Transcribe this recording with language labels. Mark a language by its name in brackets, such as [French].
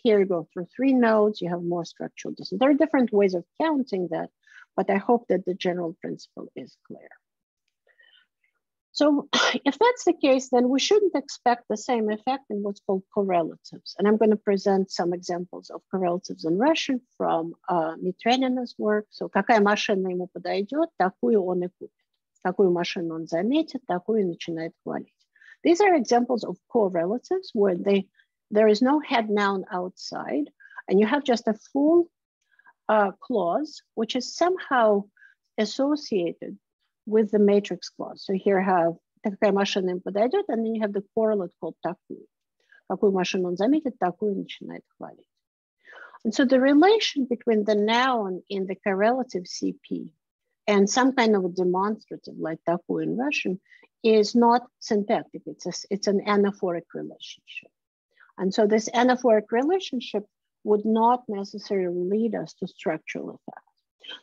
[English] Here you go through three nodes, you have more structural distance. There are different ways of counting that, but I hope that the general principle is clear. So if that's the case, then we shouldn't expect the same effect in what's called correlatives. And I'm going to present some examples of correlatives in Russian from Mitrenina's work. [Russian] So какая машина ему подойдет, такую он и купит. Какую машину он заметит, такую начинает хвалить. [English] These are examples of correlatives where there is no head noun outside and you have just a full clause, which is somehow associated with the matrix clause. So here I have [Russian] такая машина им подойдет, [English] and then you have the correlate called такую. [Russian] Какую машину он заметит, такую начинает хвалить. [English] And so the relation between the noun in the correlative CP and some kind of a demonstrative like такую in Russian is not syntactic. It's an anaphoric relationship. And so this anaphoric relationship would not necessarily lead us to structural effects.